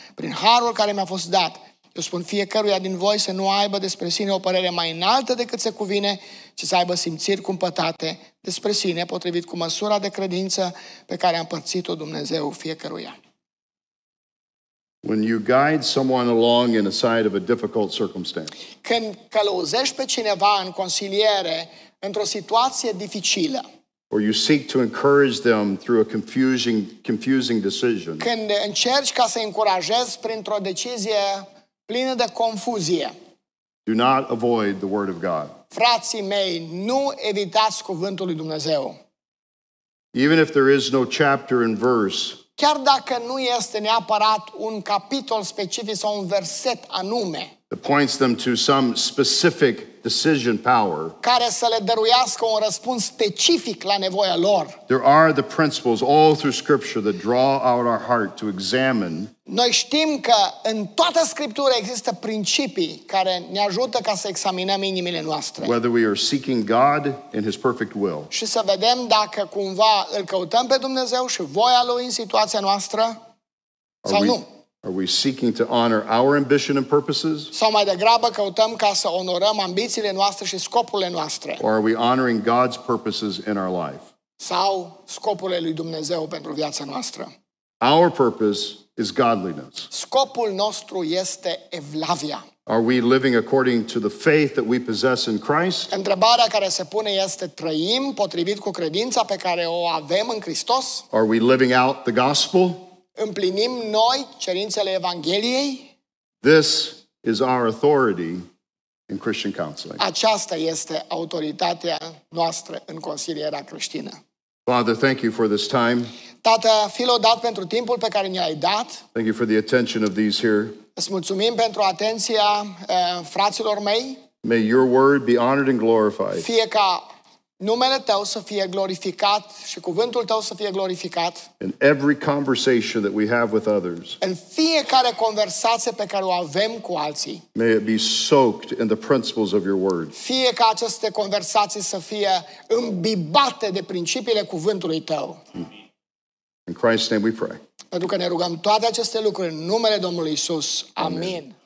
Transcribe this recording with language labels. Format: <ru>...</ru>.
<ro>Prin harul care mi-a fost dat, eu spun fiecăruia din voi să nu aibă despre sine o părere mai înaltă decât se cuvine, ci să aibă simțiri cumpătate despre sine, potrivit cu măsura de credință pe care a împărțit-o Dumnezeu fiecăruia.</ro> <en>When you guide someone along in a side of a difficult circumstance.</en> <ro>Când călăuzești pe cineva în consiliere într-o situație dificilă.</ro> <en>Or you seek to encourage them through a confusing decision.</en> <ro>Când încerci ca să-i încurajezi printr-o decizie plină de confuzie.</ro> <en>Do not avoid the word of God.</en> <ro>Frații mei, nu evitați cuvântul lui Dumnezeu.</ro> <en>Even if there is no chapter and verse.</en> <ro>Chiar dacă nu este neapărat un capitol specific sau un verset anume.</ro> <en>That points them to some specific decision power.</en> <ro>Care să le dăruiască un răspuns specific la nevoia lor.</ro> <en>There are the principles all through scripture that draw out our heart to examine.</en> <ro>Noi știm că în toată scriptura există principii care ne ajută ca să examinăm inimile noastre.</ro> <en>Whether we are seeking God in his perfect will.</en> <ro>Și să vedem dacă cumva îl căutăm pe Dumnezeu și voia lui în situația noastră sau nu.</ro> <en>Are we seeking to honor our ambition and purposes?</en> <ro>Sau mai degrabă căutăm ca să onorăm ambițiile noastre și scopurile noastre?</ro> <en>Or are we honoring God's purposes in our life?</en> <ro>Sau scopurile lui Dumnezeu pentru viața noastră?</ro> <en>Our purpose is godliness.</en> <ro>Scopul nostru este evlavia.</ro> <en>Are we living according to the faith that we possess in Christ?</en> <ro>Întrebarea care se pune este, trăim potrivit cu credința pe care o avem în Hristos?</ro> <en>Are we living out the gospel?</en> <ro>Împlinim noi cerințele Evangheliei?</ro> <en>This is our authority in Christian counseling.</en> <ro>Aceasta este autoritatea noastră în consilierea creștină.</ro> <en>Father, thank you for this time.</en> <ro>Tată, fi-l odat pentru timpul pe care ne-ai dat.</ro> <en>Thank you for the attention of these here.</en> <ro>Îți mulțumim pentru atenția fraților mei.</ro> <en>May your word be honored and glorified.</en> <ro>Fie ca numele tău să fie glorificat și cuvântul tău să fie glorificat.</ro> <en>In every conversation that we have with others.</en> <ro>În fiecare conversație pe care o avem cu alții.</ro> <en>May it be soaked in the principles of your word.</en> <ro>Fie ca aceste conversații să fie îmbibate de principiile cuvântului tău.</ro> <en>In Christ's name we pray.</en> <ro>Pentru că ne rugăm toate aceste lucruri în numele Domnului Iisus. Amin. Amen.</ro>